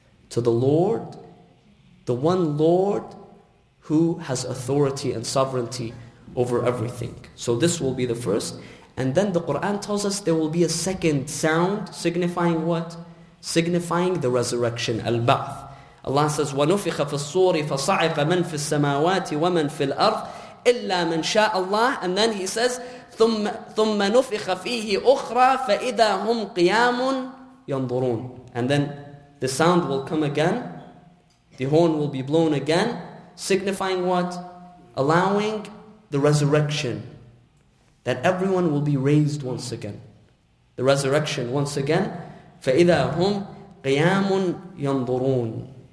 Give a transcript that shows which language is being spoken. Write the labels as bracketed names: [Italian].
[English] To the Lord, the one Lord who has authority and sovereignty over everything. So this will be the first. And then the Qur'an tells us there will be a second sound signifying what? Signifying the resurrection, al-ba'th. Allah says, [Arabic] وَنُفِخَ فِي الصُّورِ فَصَعِقَ مَنْ فِي السَّمَاوَاتِ وَمَنْ فِي الْأَرْضِ إِلَّا مَنْ شَاءَ اللَّهِ. [English] And then he says, [Arabic] ثُمَّ نُفِخَ فِيهِ أُخْرَى فَإِذَا هُمْ قِيَامٌ يَنْظُرُونَ. [English] And then the sound will come again. The horn will be blown again. Signifying what? Allowing the resurrection. That everyone will be raised once again. The resurrection once again. [Arabic] فَإِذَا هُمْ قِيَامٌ يَنْظُرُونَ.